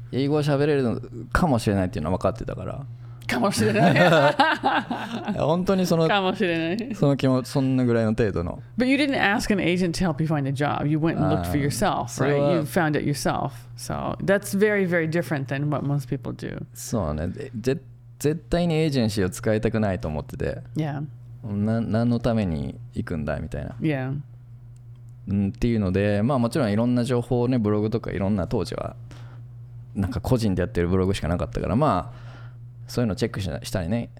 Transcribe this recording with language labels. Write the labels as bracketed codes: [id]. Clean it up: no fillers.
[ja] 英語は喋れるかもしれないっていうのは分かってたから。かもしれない本当にそのかもしれないその気持ち、そんなぐらいの程度の。 [en] But you didn't ask an agent to help you find a job. You went and looked for yourself, right? You found it yourself. So that's very, very different than what most people do. [ja] そうね、絶対にエージェンシーを使いたくないと思ってて、 [en] yeah. [ja] 何のために行くんだみたいな、 [en] yeah. [ja] っていうので、まあもちろんいろんな情報をね、ブログとかいろんな、当時はなんか個人でやってるブログしかなかったから、まあそういうのチェックしたりね、